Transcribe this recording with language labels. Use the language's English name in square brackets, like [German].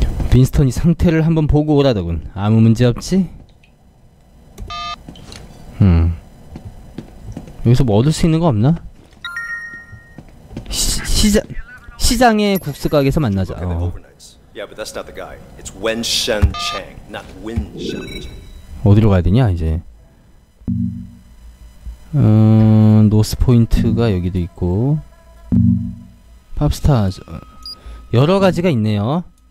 [Korean] 빈스턴이 상태를 한번 보고 오라더군. 아무 문제 없지? 여기서 뭐 얻을 수 있는 거 없나? 시장의 국수 가게에서 만나자. [English] 어. Yeah, but that's not the guy. It's Wen Shen Chang, not Win Shen Chang. [Korean] 어디로 가야 되냐 이제? 노스 포인트가 여기도 있고 팝스타 여러 가지가 있네요.